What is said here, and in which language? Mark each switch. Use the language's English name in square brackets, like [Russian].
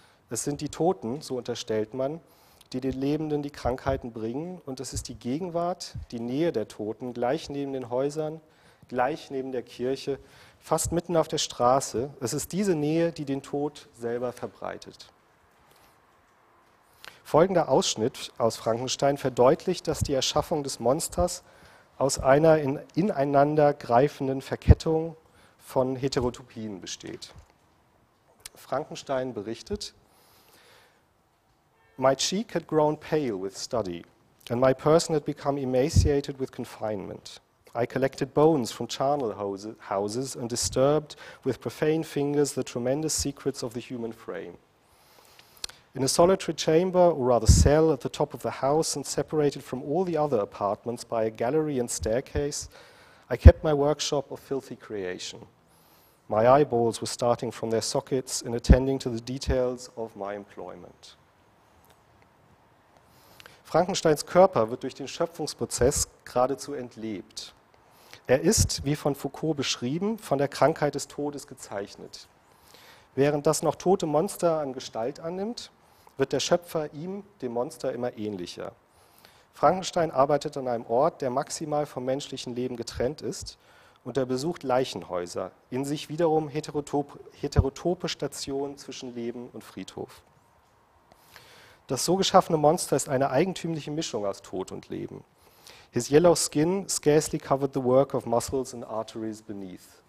[German] Es sind die Toten, so unterstellt man, die den Lebenden die Krankheiten bringen, und es ist die Gegenwart, die Nähe der Toten, gleich neben den Häusern, gleich neben der Kirche, fast mitten auf der Straße, es ist diese Nähe, die den Tod selber verbreitet. Folgender Ausschnitt aus Frankenstein verdeutlicht, dass die Erschaffung des Monsters aus einer ineinander greifenden Verkettung von Heterotopien besteht. Frankenstein berichtet: [English] "My cheek had grown pale with study, and my person had become emaciated with confinement. I collected bones from charnel houses and disturbed with profane fingers the tremendous secrets of the human frame. In a solitary chamber, or rather cell, at the top of the house and separated from all the other apartments by a gallery and staircase, I kept my workshop of filthy creation. My eyeballs were starting from their sockets and attending to the details of my employment." [German] Frankensteins Körper wird durch den Schöpfungsprozess geradezu entlebt. Er ist, wie von Foucault beschrieben, von der Krankheit des Todes gezeichnet. Während das noch tote Monster an Gestalt annimmt, wird der Schöpfer ihm, dem Monster, immer ähnlicher. Frankenstein arbeitet an einem Ort, der maximal vom menschlichen Leben getrennt ist, und er besucht Leichenhäuser, in sich wiederum heterotope Stationen zwischen Leben und Friedhof. Das so geschaffene Monster ist eine eigentümliche Mischung aus Tod und Leben. [English] His yellow skin scarcely covered the work of muscles and arteries beneath.